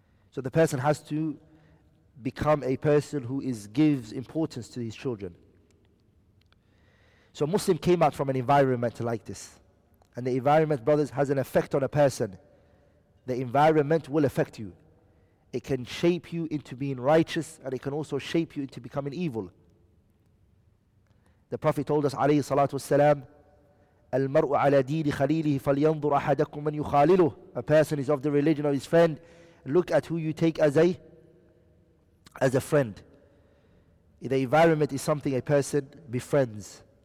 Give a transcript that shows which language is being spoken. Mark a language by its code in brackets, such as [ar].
[en] So the person has to become a person who gives importance to his children. So a Muslim came out from an environment like this. And the environment, brothers, has an effect on a person. The environment will affect you. It can shape you into being righteous and it can also shape you into becoming evil. The Prophet told us, [ar] عليه الصلاة والسلام, المرء على دين خليله فلينظر أحدكم من يخالله. [en] A person is of the religion of his friend. Look at who you take as a friend. The environment is something a person befriends.